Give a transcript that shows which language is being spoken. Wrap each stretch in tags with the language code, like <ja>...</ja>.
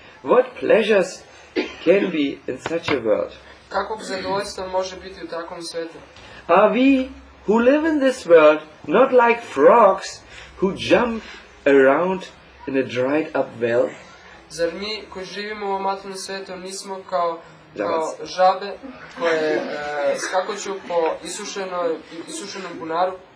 <en>What pleasures can be in such a world?</en> <sr>Kakvog zadovoljstva može biti u takvom svetu?</sr> <en>Are we who live in this world not like frogs who jump around in a dried up well?</en> <sr>Zar mi koji živimo u ovom materijalnom svetu nismo kao žabe koje skakuću po isušenom bunaru?</sr>